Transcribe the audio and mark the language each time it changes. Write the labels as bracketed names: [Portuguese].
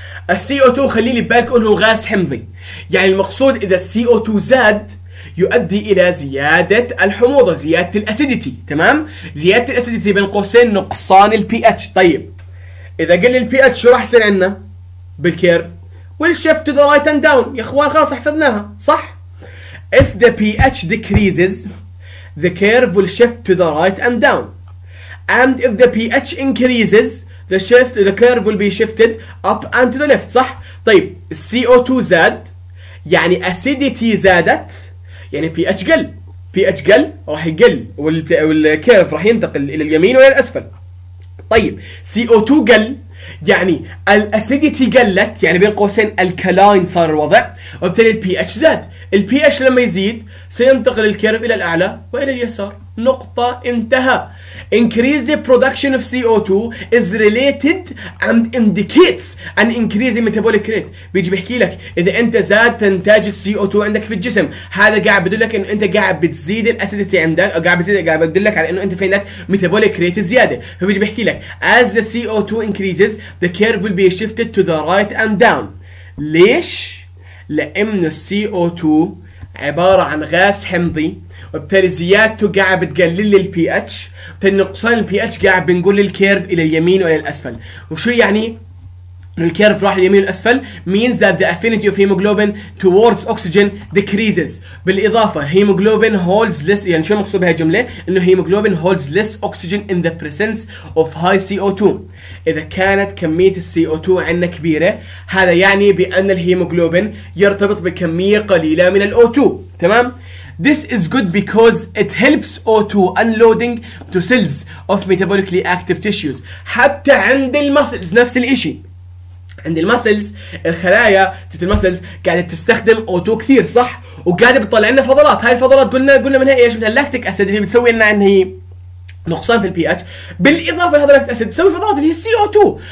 [Arabic] الـ CO2 خلي لي بالك انه غاز حمضي، يعني المقصود اذا الـ CO2 زاد يؤدي الى زيادة الحموضة، زيادة الاسيديتي. تمام؟ زيادة الاسيديتي بين قوسين نقصان الـ pH. طيب اذا قل الـ pH شو راح يصير عندنا بالكيرف؟ [English] والشيفت to the right and down [Arabic] يا اخوان، خلاص حفظناها صح. [English] If the pH decreases, the curve will shift to the right and down. And if the pH increases, the curve will be shifted up and to the left. [Arabic] صح؟ طيب CO2 زاد يعني acidity زادت يعني pH قل. pH قل راح يقل والكيرف راح ينتقل إلى اليمين وإلى الأسفل. طيب CO2 قل يعني الأسيديتي قلت يعني بين قوسين الكلاين صار الوضع وبالتالي pH زاد. pH لما يزيد سينتقل الكيرف إلى الأعلى وإلى اليسار. نقطة انتهى. [English] Increase the production of CO2 is related and indicates an increase in metabolic rate. [Arabic] بيجي بحكي لك إذا أنت زاد تنتاج CO2 عندك في الجسم هذا قاعد بدل لك إنه أنت قاعد بتزيد الأسيديتي عندك أو قاعد بدل لك على إنه أنت في عندك metabolic rate زيادة. فبيجي بحكي لك [English] as the CO2 increases the curve will be shifted to the right and down. [Arabic] ليش؟ لأن CO2 عبارة عن غاز حمضي وبالتالي زيادته قاعد بتقلل لي البي اتش، وبالتالي نقصان البي اتش قاعد بنقول الكيرف الى اليمين والى الاسفل. وشو يعني؟ الكيرف راح اليمين والاسفل [English] means that the affinity of hemoglobin towards oxygen decreases. [Arabic] بالاضافه [English] hemoglobin holds less، [Arabic] يعني شو مقصود بهي الجمله؟ انه [English] hemoglobin holds less oxygen in the presence of high CO2. [Arabic] اذا كانت كميه السي او 2 عندنا كبيره هذا يعني بان الهيموجلوبين يرتبط بكميه قليله من الاو 2. تمام؟ [English] This is good because it helps O2 unloading to cells of metabolically active tissues. [Arabic] حتى عند المسلز نفس الإشي. عند المسلز الخلايا تبت المسلز قاعدة تستخدم O2 كثير صح؟ وقاعدة بتطلع لنا فضلات. هاي الفضلات قلنا منها إيش؟ منها اللاكتيك أسيد اللي بتسوي لنا إن هي نقصان في البي اتش، بالاضافه لهذا اللاكتيك اسيد بتسوي فضلات اللي هي السي او 2.